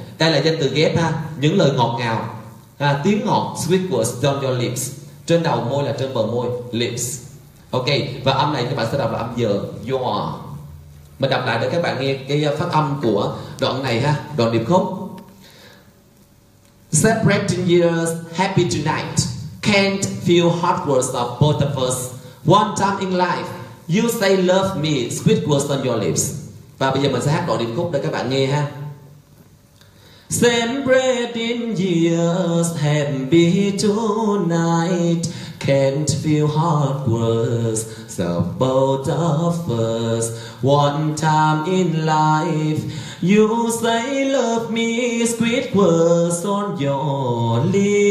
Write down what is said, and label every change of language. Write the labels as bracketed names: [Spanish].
[Vietnamese] Đây là danh từ ghép ha. Những lời ngọt ngào ha, tiếng ngọt, [English] sweet words on your lips. [Vietnamese] Trên đầu môi là trên bờ môi, lips. Ok, và âm này các bạn sẽ đọc là âm dờ, your. Mình đọc lại để các bạn nghe cái phát âm của đoạn này ha, đoạn điệp khúc. [English] Separating years, happy tonight. Can't feel hard words of both of us. One time in life, you say love me, sweet words on your lips. [Vietnamese] Và bây giờ mình sẽ hát đoạn điệp khúc để các bạn nghe ha. [English] Separating years, happy tonight. Can't feel hard words so both of us. One time in life, you say love me, sweet words on your lips.